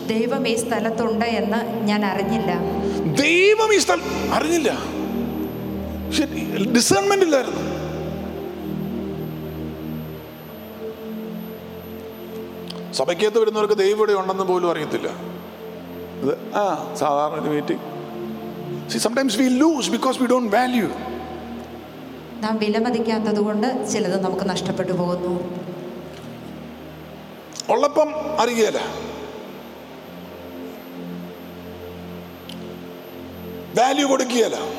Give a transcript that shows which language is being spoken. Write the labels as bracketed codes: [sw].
[ml] ദൈവം ഈ സ്ഥലത്തുണ്ട് എന്ന് ഞാൻ അറിഞ്ഞില്ല. ദൈവം ഈ സ്ഥലം അറിഞ്ഞില്ല. ഡിസേൺമെന്റ് ഇല്ലായിരുന്നു. സഭയ്ക്കകത്ത് വരുന്നവർക്ക് ദൈവം ഇവിടെ ഉണ്ടെന്ന് പോലും അറിയത്തില്ല. സാധാരണ ഒരു meeting. [en] See, sometimes we lose because we don't value. [ml] നാം വിലമതിക്കാത്തതുകൊണ്ട് ചിലത് നമുക്ക് നഷ്ടപ്പെട്ടു പോകുന്നു. ഉള്ളപ്പം അറിയേല. വാല്യൂ കൊടുക്കുകയല്ല.